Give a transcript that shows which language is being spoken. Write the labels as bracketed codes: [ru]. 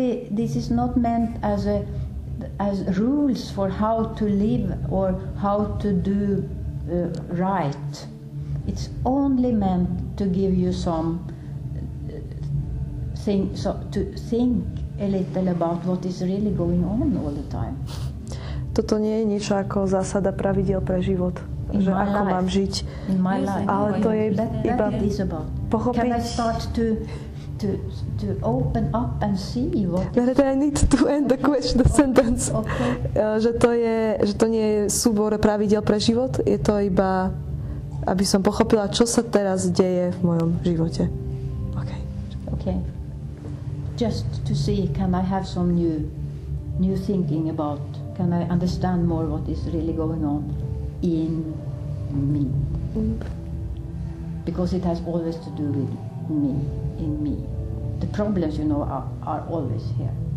[en] This is not meant as rules for how to live or how to do right. It's only meant to give you some thing, so to think a little about what is really going on all the time. [sk] Toto nie je niečo ako zásada pravidiel pre život, [en] in [sk] že ako [en] life. [sk] Mám žiť. [en] Life, [sk] ale to je iba pochopiť. [en] Can I start to to open up and see what. But I need to end the question, the sentence. Okay. [sk] Že to nie je súbor pravidel pre život, je to iba aby som pochopila, čo sa teraz deje v mojom živote. [en] Okay. Okay. Just to see, can I have some new thinking about, can I understand more what is really going on in me? Because it has always to do with me, in me. The problems, you know, are always here.